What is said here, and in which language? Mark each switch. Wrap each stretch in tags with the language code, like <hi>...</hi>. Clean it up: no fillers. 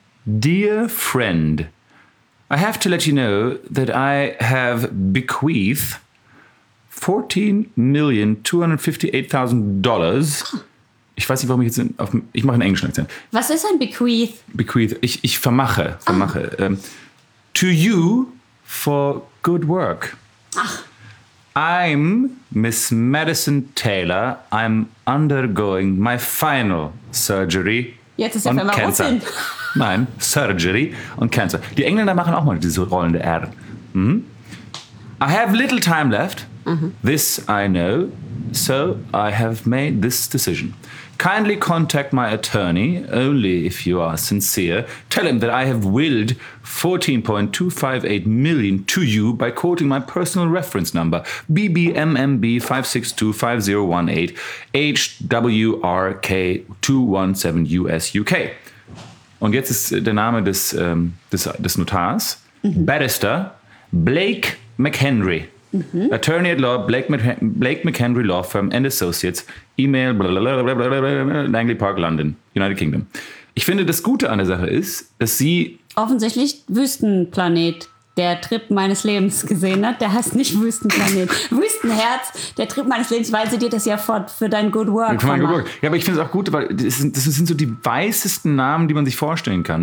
<en>Dear friend, I have to let you know that I have bequeathed $14,258,000.</en> <de>Ich weiß nicht, warum ich jetzt ich mache einen englischen Akzent. Was ist ein bequeath?</de> <en>Bequeath.</en> <de>Ich vermache. Vermache.</de> <en>To you for good work. Ach. I'm Miss Madison Taylor. I'm undergoing my final surgery.</en> <de>Jetzt ist ja immer Cancer. Nein, Surgery und Cancer. Die Engländer machen auch mal diese rollende R.</de> <en>Mhm. I have little time left. Mhm. This I know. So I have made this decision. Kindly contact my attorney, only if you are sincere. Tell him that I have willed $14.258 million to you by quoting my personal reference number, BBMMB 562-5018-HWRK217-US-UK.</en> <de>Und jetzt ist der Name des Notars, Barrister Blake McHenry. Mm-hmm.</de> <en>Attorney at Law, Blake McHenry Law Firm and Associates, E-Mail, Langley Park, London, United Kingdom.</en> <de>Ich finde, das Gute an der Sache ist, dass sie... Offensichtlich Wüstenplanet, der Trip meines Lebens gesehen hat. Der heißt nicht Wüstenplanet. Wüstenherz, der Trip meines Lebens, weil sie dir das ja fort für dein Good Work gemacht. Ja, aber ich finde es auch gut, weil das sind so die weißesten Namen, die man sich vorstellen kann.</de>